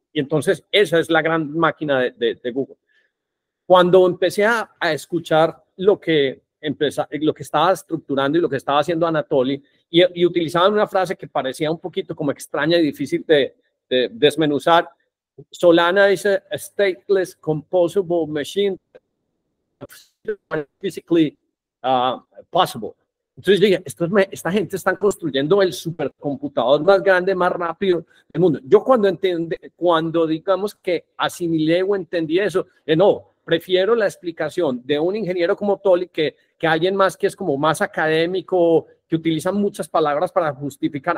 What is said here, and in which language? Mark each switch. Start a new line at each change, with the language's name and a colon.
Spanish: Y entonces esa es la gran máquina de Google. Cuando empecé a escuchar lo que estaba estructurando y lo que estaba haciendo Anatoly, y utilizaban una frase que parecía un poquito como extraña y difícil de desmenuzar.
English: Solana is a stateless composable machine physically possible.
Spanish: Entonces dije, esta gente está construyendo el supercomputador más grande, más rápido del mundo. Yo cuando digamos que asimilé o entendí eso, prefiero la explicación de un ingeniero como Tolly que alguien más que es como más académico, que utiliza muchas palabras para justificar.